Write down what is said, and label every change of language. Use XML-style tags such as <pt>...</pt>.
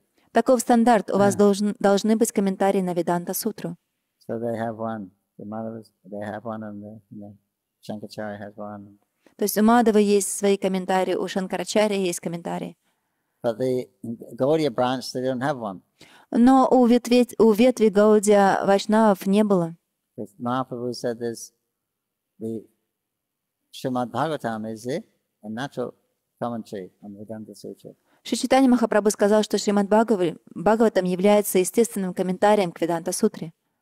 <ru>Таков стандарт. У вас должны быть комментарии на Веданта Сутру. То есть у Мадхвы есть свои комментарии, у Шанкарачарьи есть комментарии.</ru> <en>But the Gaudiya branch, they don't have one.</en> <ru>Но у ветви Гаудия Вайшнавов не было.</ru> <en>Махапрабху said this, the Shrimad Bhagavatam is the natural commentary on Vedanta Sutra.</en> <ru>Шри Чайтанья Махапрабху сказал, что Шримад Бхагаватам является естественным комментарием к Веданта Сутре.</ru>